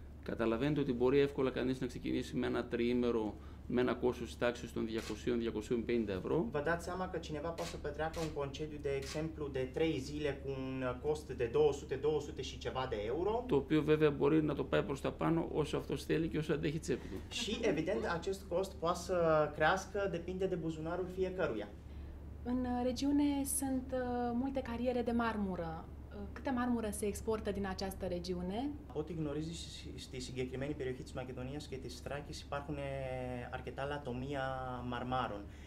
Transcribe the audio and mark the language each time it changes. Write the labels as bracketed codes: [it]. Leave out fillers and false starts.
[el] καταλαβαίνετε ότι μπορεί εύκολα κανείς να ξεκινήσει με ένα τριήμερο με ένα κόστος της τάξης των 200-250 ευρώ. [ro] Vă dați seama că cineva poate să petreacă un concediu de exemplu de 3 zile cu un cost de 200-200 și ceva de euro. [el] Το οποίο βέβαια μπορεί να το πάει προς τα πάνω όσο αυτό θέλει και όσο αντέχει τσέπη του. [ro] Și evident acest cost poate să crească depinde de buzunarul fiecăruia. În regiune sunt multe cariere de marmură. Câte marmură se exportă din această regiune? [el] Ό,τι γνωρίζει στη συγκεκριμένη περιοχή της Μακεδονίας και της Θράκης υπάρχουν αρκετά λατομεία μαρμάρων.